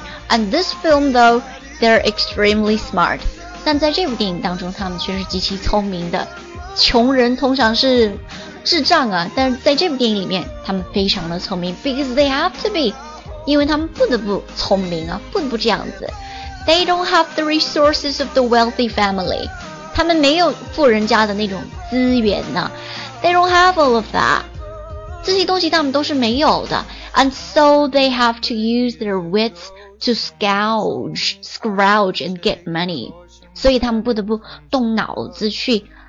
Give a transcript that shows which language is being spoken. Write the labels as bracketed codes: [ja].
[en] And this film, though, they're extremely smart. [zh] 但在这部电影当中他们却是极其聪明的。穷人通常是智障啊，但在这部电影里面他们非常的聪明。 [en] Because they have to be. [zh] 因为他们不得不聪明啊，不得不这样子。 [en] They don't have the resources of the wealthy family. [zh] 他们没有富人家的那种资源呢。 [en] They don't have all of that. [zh] 这些东西他们都是没有的。 [en] And so they have to use their wits to scrounge and get money. [zh] 所以他们不得不动脑子去